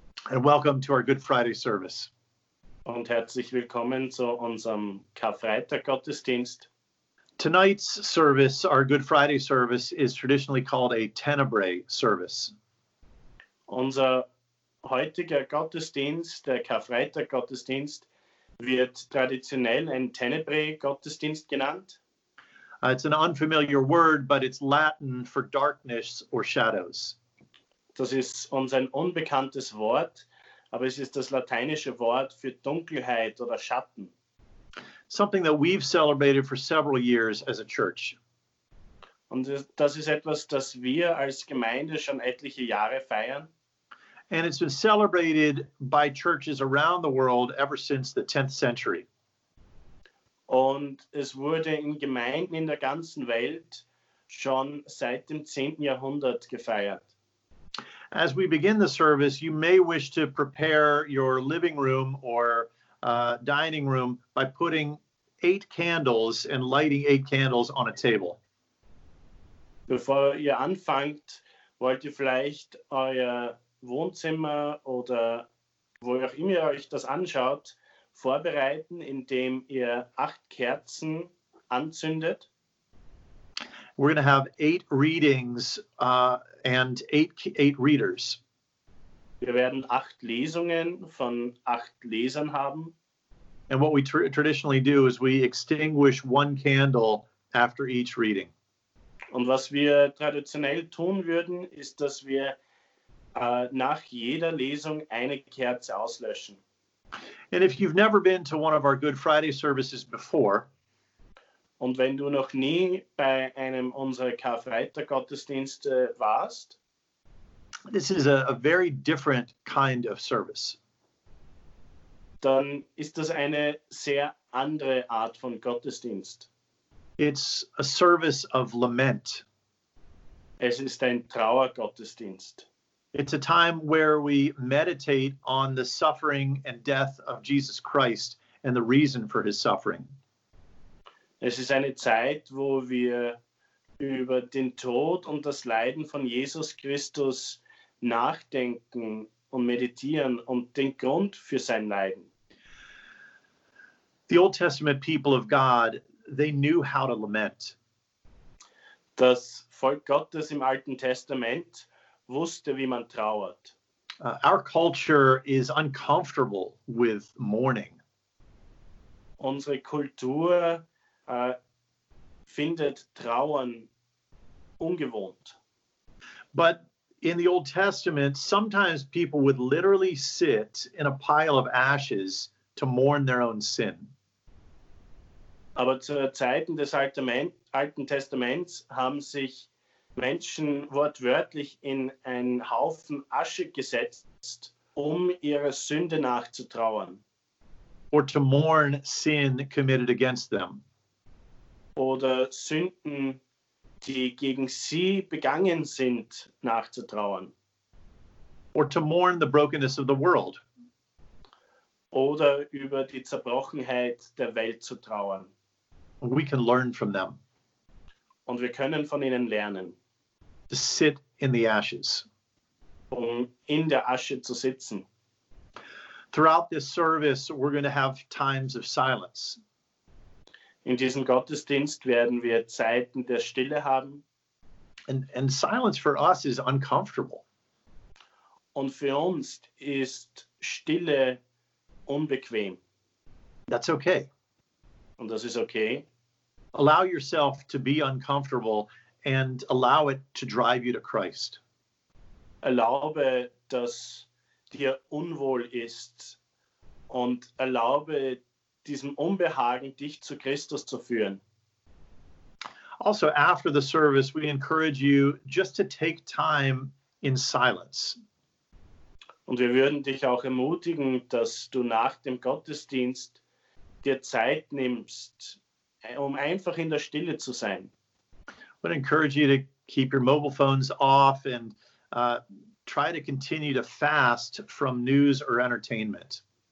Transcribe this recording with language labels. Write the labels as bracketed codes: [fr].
[en] And welcome to our Good Friday service. [de] Und herzlich willkommen zu unserem Karfreitag-Gottesdienst. [en] Tonight's service, our Good Friday service, is traditionally called a Tenebrae service. [de] Unser heutiger Gottesdienst, der Karfreitag-Gottesdienst, wird traditionell ein Tenebrae-Gottesdienst genannt. [en] It's an unfamiliar word, but it's Latin for darkness or shadows. [de] Das ist uns ein unbekanntes Wort, aber es ist das lateinische Wort für Dunkelheit oder Schatten. [en] Something that we've celebrated for several years as a church. [de] Und das ist etwas, das wir als Gemeinde schon etliche Jahre feiern. [en] And it's been celebrated by churches around the world ever since the 10th century. [de] Und es wurde in Gemeinden in der ganzen Welt schon seit dem 10. Jahrhundert gefeiert. [en] As we begin the service, you may wish to prepare your living room or dining room by putting 8 candles and lighting 8 candles on a table. [de] Bevor ihr anfangt, wollt ihr vielleicht euer Wohnzimmer oder wo auch immer ihr euch das anschaut, vorbereiten, indem ihr 8 Kerzen anzündet. [en] We're going to have 8 readings and 8 readers. [de] Wir werden 8 Lesungen von 8 Lesern haben. [en] And what we traditionally do is we extinguish 1 candle after each reading. [de] Und was wir traditionell tun würden, ist, dass wir nach jeder Lesung eine Kerze auslöschen. [en] And if you've never been to one of our Good Friday services before, [de] und wenn du noch nie bei einem unserer Karfreitag-Gottesdienste warst, [en] this is a very different kind of service. [de] Dann ist das eine sehr andere Art von Gottesdienst. [en] It's a service of lament. [de] Es ist ein Trauergottesdienst. [en] It's a time where we meditate on the suffering and death of Jesus Christ and the reason for his suffering. [de] Es ist eine Zeit, wo wir über den Tod und das Leiden von Jesus Christus nachdenken und meditieren und den Grund für sein Leiden. [en] The Old Testament people of God, they knew how to lament. [de] Das Volk Gottes im Alten Testament wusste, wie man trauert. [en] Our culture is uncomfortable with mourning. [de] Unsere Kultur findet Trauern ungewohnt. [en] But in the Old Testament, sometimes people would literally sit in a pile of ashes to mourn their own sin. [de] Aber zu Zeiten des Alten Testaments haben sich Menschen wortwörtlich in einen Haufen Asche gesetzt, um ihrer Sünde nachzutrauern. [en] Or to mourn sin committed against them. [de] Oder Sünden, die gegen sie begangen sind, nachzutrauern. [en] Or to mourn the brokenness of the world. [de] Oder über die Zerbrochenheit der Welt zu trauern. [en] We can learn from them. [de] Und wir können von ihnen lernen. [en] To sit in the ashes. [de] Um in der Asche zu sitzen. [en] Throughout this service, we're going to have times of silence. [de] In diesem Gottesdienst werden wir Zeiten der Stille haben. [en] And silence for us is uncomfortable. [de] Und für uns ist Stille unbequem. [en] That's okay. [de] Und das ist okay. [en] Allow yourself to be uncomfortable and allow it to drive you to Christ. [de] Erlaube, dass dir unwohl ist und erlaube diesem Unbehagen, dich zu Christus zu führen. [en] Also, after the service, we encourage you just to take time in silence. [de] Und wir würden dich auch ermutigen, dass du nach dem Gottesdienst dir Zeit nimmst, um einfach in der Stille zu sein. [en] We encourage you to keep your mobile phones off and try to continue to fast from news or entertainment.